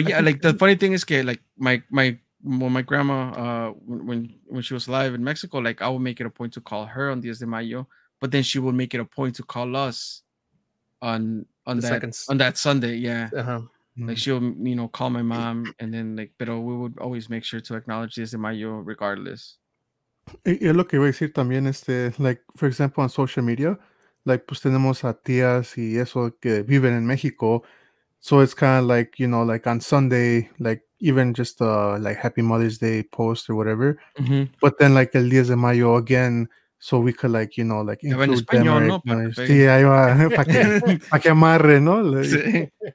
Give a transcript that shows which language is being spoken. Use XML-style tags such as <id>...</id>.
<en>Pero yeah, like the funny thing is que like my grandma, when she was alive in Mexico, like I would make it a point to call her on 10 de mayo, but then she would make it a point to call us on that Sunday. Yeah. Uh-huh. Like she'll, you know, call my mom and then like,</en> <es>pero</es> <en>we would always make sure to acknowledge 10 de mayo regardless.</en> <es>Y lo que iba a decir también, este, like,</es> <en>for example, on social media,</en> <es>like, pues tenemos a tías y eso que viven en México.</es> <en>So it's kind of like, you know, like on Sunday, like even just like Happy Mother's Day post or whatever. Mm-hmm. But then like el 10 de mayo again, so we could like, you know, like include</en> <es>en español,</es> <en>them, right? No,</en> <es>sí, ahí va, para que amarre, ¿no? Like, sí.</es>